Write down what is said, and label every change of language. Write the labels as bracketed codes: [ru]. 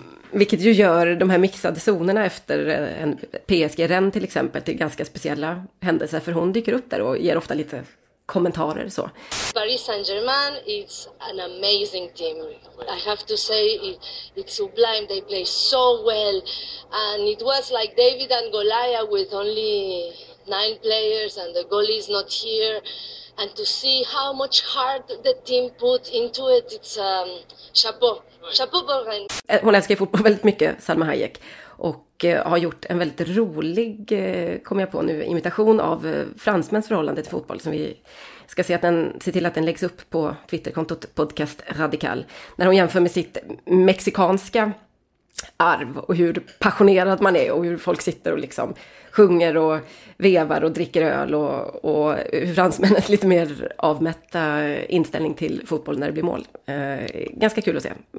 [sv] Vilket ju gör de här mixade zonerna efter en PSG-ren till exempel till ganska speciella händelser. För hon dyker upp där och ger ofta lite kommentarer så. [en] Paris Saint-Germain, it's an amazing team. I have to say, it's sublime. They play so well. And it was like David and Goliath with only 9 players and the goalie is not here. And to see how much heart the team put into it, it's chapeau. [sv] Hon älskar fotboll väldigt mycket, Salma Hayek, och har gjort en väldigt rolig, kom jag på nu, imitation av fransmäns förhållande till fotboll, som vi ska se till att den läggs upp på Twitterkontot Podcast Radikal, när hon jämför med sitt mexikanska arv och hur passionerad man är och hur folk sitter och liksom sjunger och vevar och dricker öl, och fransmännens lite mer avmätta inställning till fotboll när det blir mål. Ganska kul att se.